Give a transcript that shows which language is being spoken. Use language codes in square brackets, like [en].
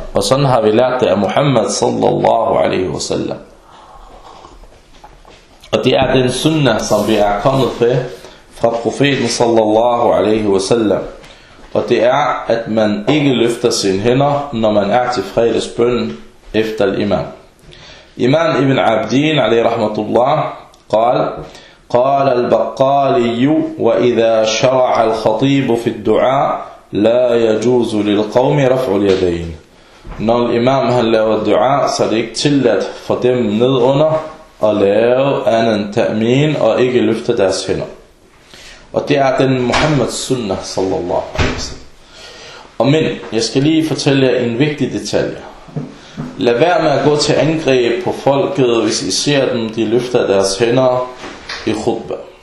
[da] Og sådan har vi lært det af Muhammad sallallahu alaihi wasallam. Og det er den sunnah, som vi er kommet til fra profeten sallallahu alaihi wasallam. Og det er, at man ikke løfter sine hænder, når man er til fredagsbønnen efter imam. [ar] Imam ibn Abdin alaihi rahmatullah, قال قال البقالي وإذا شرع الخطيب في الدعاء لا يجوز للقوم رفع اليدين. [da] Når imam han laver الدعاء, så er det ikke tilladt for dem ned under at lave anden ta'min og ikke løfte deres hænder. Og det er den Muhammeds sunnah sallallahu alaihi wasallam. Men jeg skal lige fortælle jer en vigtig detalje. Lad være med at gå til angreb på folket, hvis I ser dem, de løfter deres hænder i khutba.